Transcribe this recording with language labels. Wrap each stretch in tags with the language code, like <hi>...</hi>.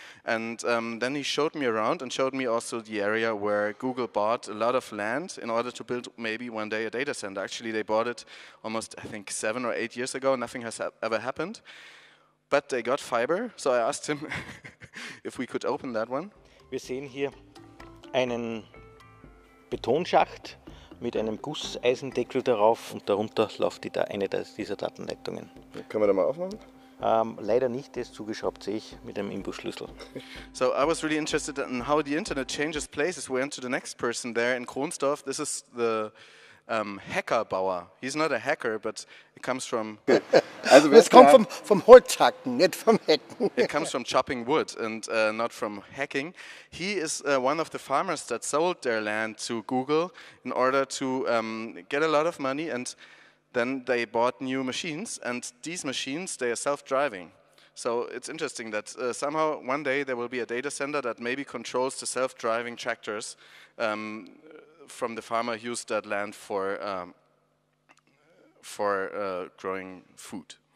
<en>And then he showed me around and showed me also the area where Google bought a lot of land in order to build maybe one day a data center. Actually, they bought it almost, I think, 7 or 8 years ago. Nothing has ever happened. But they got fiber, so I asked him if we could open that one.</en> <de>Wir sehen hier einen Betonschacht mit einem Gusseisendeckel darauf, und darunter läuft eine dieser Datenleitungen. Können wir da mal aufmachen? Leider nicht, das zugeschraubt sehe ich mit einem Imbusschlüssel.</de> <en>So I was really interested in how the internet changes places. We went to the next person there in Kronstorf. This is the Hackerbauer. He's not a hacker, but it comes from...</en> <de>Also es kommt vom Holzhacken, nicht vom Hacken.</de> <en>It comes from chopping wood and not from hacking. He is one of the farmers that sold their land to Google in order to get a lot of money, and then they bought new machines, and these machines, they are self-driving. So it's interesting that somehow one day there will be a data center that maybe controls the self-driving tractors from the farmer who used that land for growing food.</en>